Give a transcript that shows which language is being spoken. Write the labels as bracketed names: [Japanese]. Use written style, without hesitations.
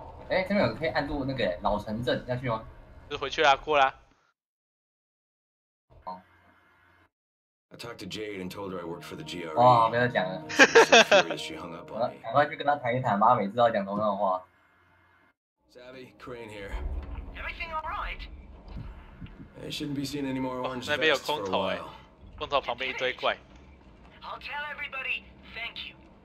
[Chinese] 哎，这边有可以按住那个老城镇下去吗？就回去啦，过啦。 [English] I talked to Jade and told her I worked for the GRE. [Chinese] 哇，不要讲了。 [English] She hung up on me. [Chinese] 赶快去跟她谈一谈吧，每次都要讲同样的话。 [English] Savvy, Crane here. Everything all right? I shouldn't be seeing any more orange vests for a while. [Chinese] 那边有空投哎，空投旁边一堆怪。 [English] I'll tell everybody. Thank you.